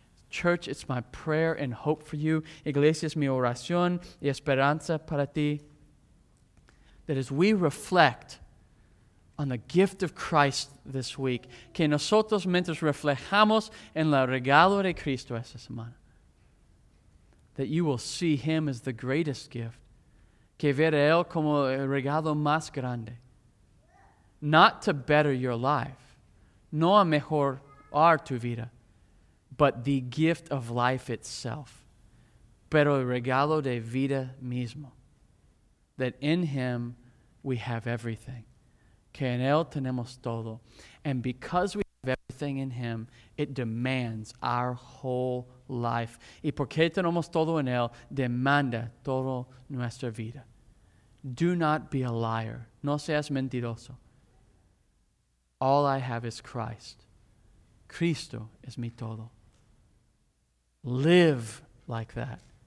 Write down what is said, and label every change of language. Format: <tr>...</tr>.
<en>Church, it's my prayer and hope for you.</en> <es>Iglesia, es mi oración y esperanza para ti.</es> <en>That as we reflect on the gift of Christ this week,</en> <es>que nosotros mientras reflejamos en el regalo de Cristo esta semana,</es> <en>that you will see Him as the greatest gift,</en> <es>que ver a Él como el regalo más grande,</es> <en>not to better your life,</en> <es>no a mejorar tu vida,</es> <en>but the gift of life itself.</en> <es>Pero el regalo de vida mismo.</es> <en>That in Him we have everything.</en> <es>Que en Él tenemos todo.</es> <en>And because we have everything in Him, it demands our whole life.</en> <es>Y porque tenemos todo en Él, demanda toda nuestra vida.</es> <en>Do not be a liar.</en> <es>No seas mentiroso.</es> <en>All I have is Christ.</en> <es>Cristo es mi todo.</es> <en>Live like that.</en>